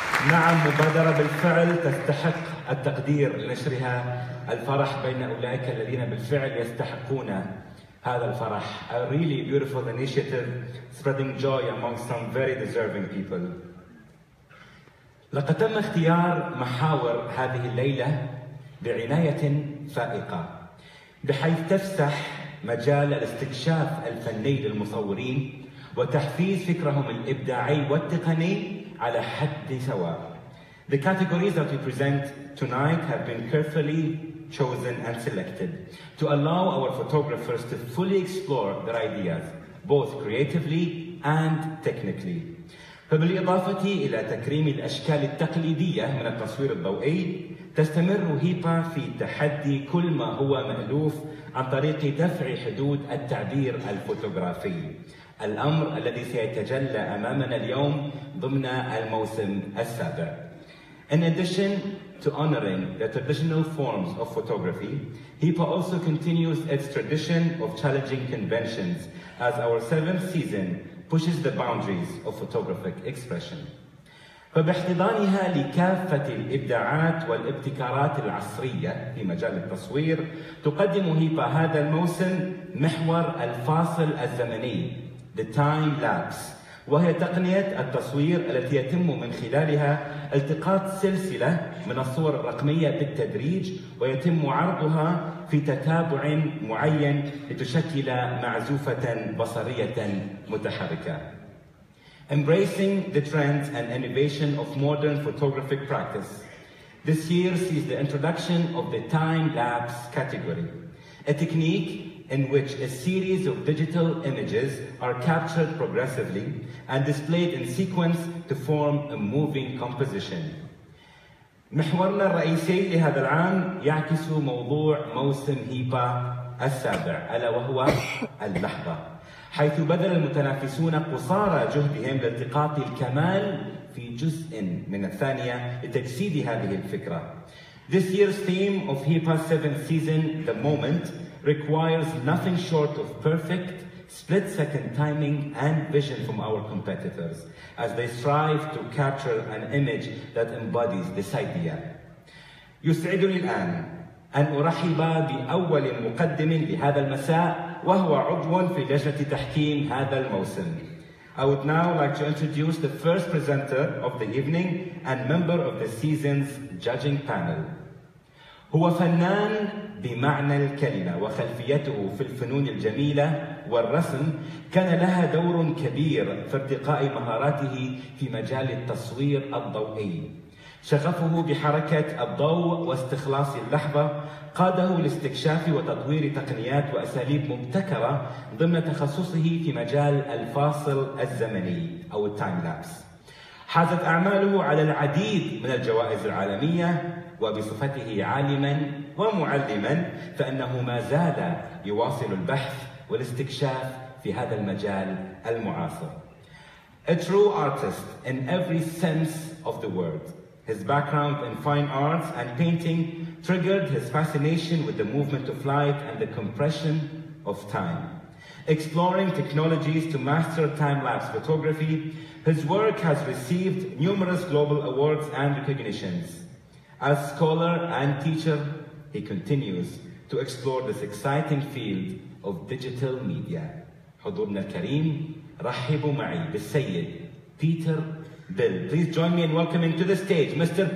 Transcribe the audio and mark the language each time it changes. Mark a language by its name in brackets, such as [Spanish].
[Arabic] نعم، مبادرة بالفعل تستحق التقدير لنشرها الفرح بين أولئك الذين بالفعل يستحقون هذا الفرح. [English] A really beautiful initiative spreading joy among some very deserving people. [Arabic] لقد تم اختيار محاور هذه الليلة بعناية فائقة، بحيث تفتح مجال الاستكشاف الفني للمصورين وتحفيز فكرهم الإبداعي والتقني على حد سواء. [English] The categories that we present tonight have been carefully chosen and selected to allow our photographers to fully explore their ideas both creatively and technically. [Arabic] فبالإضافة إلى تكريم الأشكال التقليدية من التصوير الضوئي، تستمر هيبا في تحدي كل ما هو مألوف عن طريق دفع حدود التعبير الفوتوغرافي، الأمر الذي سيتجلى أمامنا اليوم ضمن الموسم السابع. [English] In addition to honoring the traditional forms of photography, HIPAA also continues its tradition of challenging conventions as our 7th season pushes the boundaries of photographic expression. [Arabic] فباحتضانها لكافة الإبداعات والابتكارات العصرية في مجال التصوير، تقدم هيبا هذا الموسم محور الفاصل الزمني The Time Lapse، وهي تقنية التصوير التي يتم من خلالها التقاط سلسلة من الصور الرقمية بالتدريج ويتم عرضها في تتابع معين لتشكل معزوفة بصرية متحركة. [English] Embracing the trends and innovation of modern photographic practice, this year sees the introduction of the time-lapse category, a technique in which a series of digital images are captured progressively and displayed in sequence to form a moving composition. [Arabic] محورنا الرئيسي لهذا العام يعكس موضوع موسم هيبا السابع ألا وهو اللحظة حيث بذل المتنافسون قصارى جهدهم لالتقاط الكمال في جزء من الثانية لتجسيد هذه الفكرة. [English] This year's theme of HIPAA's seventh season, The Moment, requires nothing short of perfect split-second timing and vision from our competitors as they strive to capture an image that embodies this idea. [Arabic] يسعدني الآن أن أرحب بأول مقدم لهذا المساء وهو عضو في لجنة تحكيم هذا الموسم. [English] I would now like to introduce the first presenter of the evening and member of the season's judging panel. [Arabic] هو فنان بمعنى الكلمة وخلفيته في الفنون الجميلة والرسم كان لها دور كبير في ارتقاء مهاراته في مجال التصوير الضوئي. شغفه بحركة الضوء واستخلاص اللحظة قاده لاستكشاف وتطوير تقنيات وأساليب مبتكرة ضمن تخصصه في مجال الفاصل الزمني أو التايم لابس. حازت أعماله على العديد من الجوائز العالمية وبصفته عالماً ومعلماً فإنه ما زال يواصل البحث والاستكشاف في هذا المجال المعاصر. [English] A true artist in every sense of the word. His background in fine arts and painting triggered his fascination with the movement of light and the compression of time. Exploring technologies to master time-lapse photography, his work has received numerous global awards and recognitions. As scholar and teacher, he continues to explore this exciting field of digital media. [Arabic] حضورنا الكريم رحبوا معي بالسيد بيتر بيل. [English] Please join me in welcoming to the stage Mr.